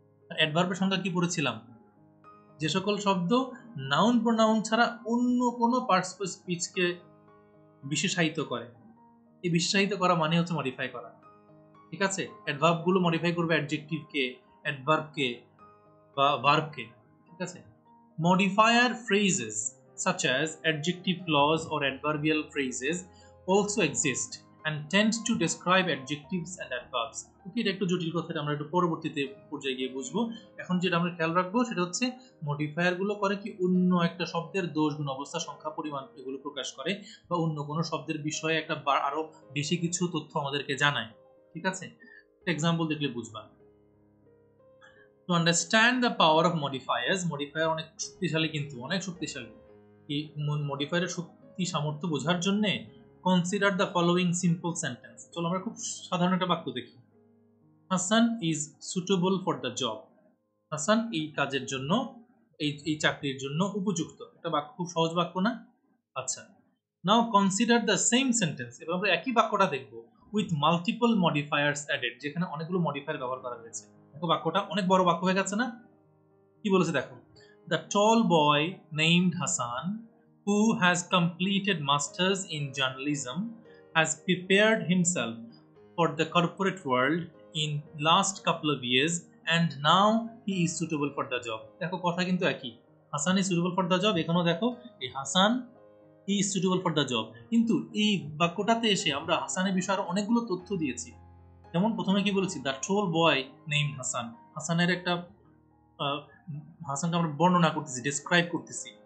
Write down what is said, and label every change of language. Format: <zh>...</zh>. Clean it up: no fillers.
<bn>অ্যাডভার্বের সংজ্ঞা কি পড়েছিলাম? যে সকল শব্দ নাউন প্রোনাউন ছাড়া অন্য কোনো পার্টস অফ স্পিচকে বিশেষায়িত করে, এই বিশেষায়িত করা মানে হচ্ছে মডিফাই করা। ঠিক আছে, অ্যাডভার্বগুলো মডিফাই করবে অ্যাডজেক্টিভকে, অ্যাডভার্বকে বা ভার্বকে। ঠিক আছে,</bn> <en>Modifier phrases such as adjective clause or adverbial phrases also exist and tend to describe adjectives and adverbs.</en> <bn>Okay, এটা একটু জটিল কথা, আমরা একটু পরবর্তীতে পর্যায়ে গিয়ে বুঝবো। এখন যেটা আমরা খেয়াল রাখবো সেটা হচ্ছে মডিফায়ার গুলো করে কি অন্য একটা শব্দের দোষ গুণ অবস্থা সংখ্যা পরিমাণ এগুলো প্রকাশ করে বা অন্য কোনো শব্দের বিষয়ে একটা আরো বেশি কিছু তথ্য আমাদেরকে জানায়। ঠিক আছে, এক্সাম্পল দেখলে বুঝবা।</bn> <en>To understand the power of modifiers,</en> <bn>modifier অনেক শক্তিশালী, কিন্তু অনেক শক্তিশালী এই মডিফায়ারের শক্তি সামর্থ্য বোঝার জন্য</bn> <en>Consider the following simple sentence.</en> <bn>চলো আমরা খুব সাধারণ একটা বাক্য দেখি।</bn> <en>Hasan is suitable for the job,</en> <bn>Hasan এই কাজের জন্য, এই এই চাকরির জন্য উপযুক্ত। একটা বাক্য, খুব সহজ বাক্য না? আচ্ছা,</bn> <en>now consider the same sentence,</en> <bn>এবার আমরা একই বাক্যটা দেখব</bn> <en>with multiple modifiers added,</en> <bn>যেখানে অনেকগুলো মডিফায়ার ব্যবহার করা হয়েছে। দেখো বাক্যটা অনেক বড় বাক্য হয়ে গেছে না? কি বলেছে দেখো,</bn> <en>The tall boy named Hassan, who has completed masters in journalism, has prepared himself for the corporate world in last couple of years and now he is suitable for the job.</en> <bn>দেখো কথা কিন্তু একই,</bn> <en>Hasan is suitable for the job,</en> <bn>এখানেও দেখো এই</bn> <en>Hasan he is suitable for the job.</en> <bn>কিন্তু এই বাক্যটাতে এসে আমরা হাসানের বিষয়ে আরো অনেকগুলো তথ্য দিয়েছি। যেমন প্রথমে কি বলেছি,</bn> <en>the tall boy named Hasan,</en> <bn>হাসানের একটা হাসানকে আমরা বর্ণনা করতেছি, ডিসক্রাইব করতেছি।</bn>